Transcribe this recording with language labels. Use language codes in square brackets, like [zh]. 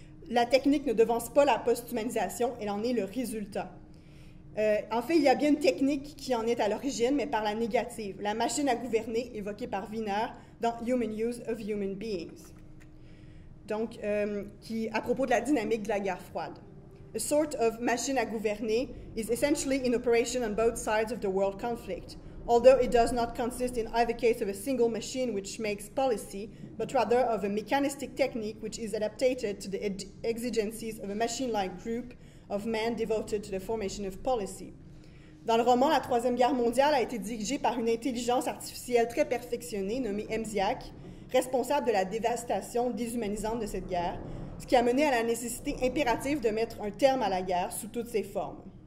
[fr] La technique ne devance pas la post-humanisation, elle en est le résultat. En fait, il y a bien une technique qui en est à l'origine, mais par la négative, la machine à gouverner évoquée par Wiener dans Human Use of Human Beings, donc qui à propos de la dynamique de la guerre froide. [en] A sort of machine à gouverner is essentially in operation on both sides of the world conflict, although it does not consist in either case of a single machine which makes policy, but rather of a mechanistic technique which is adapted to the exigencies of a machine-like group of men devoted to the formation of policy. [fr] Dans le roman, la Troisième Guerre mondiale a été dirigée par une intelligence artificielle très perfectionnée nommée Emziak, responsable de la dévastation déshumanisante de cette guerre, ce qui a mené à la nécessité impérative de mettre un terme à la guerre sous toutes ses formes.